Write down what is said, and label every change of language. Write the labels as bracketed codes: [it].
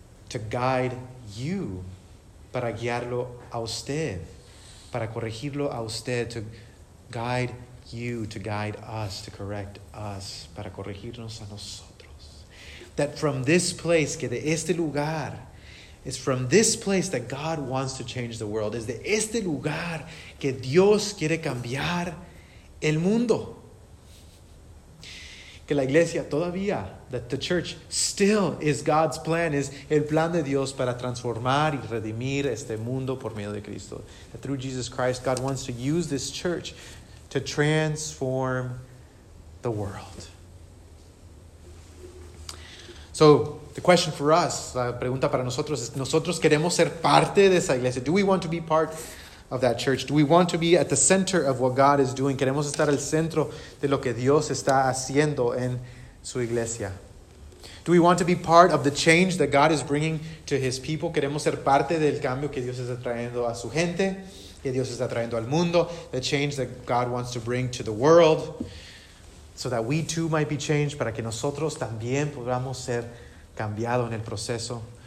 [en] To guide you, [es] para guiarlo a usted, para corregirlo a usted, [en] to guide you, to guide us, to correct us, [es] para corregirnos a nosotros. [en] That from this place, [es] que de este lugar, [en] it's from this place that God wants to change the world. [es] Es de este lugar que Dios quiere cambiar el mundo. Que la iglesia todavía, [en] that the church still is God's plan, [es] es el plan de Dios para transformar y redimir este mundo por medio de Cristo. [en] That through Jesus Christ, God wants to use this church to transform the world. So, the question for us, [es] la pregunta para nosotros es, ¿nosotros queremos ser parte de esa iglesia? [en] Do we want to be part of that church? Do we want to be at the center of what God is doing? [es] ¿Queremos estar al centro de lo que Dios está haciendo en su iglesia? [en] Do we want to be part of the change that God is bringing to His people? [es] ¿Queremos ser parte del cambio que Dios está trayendo a su gente? Que Dios está trayendo al mundo, [en] the change that God wants to bring to the world, so that we too might be changed, [es] para que nosotros también podamos ser cambiados en el proceso.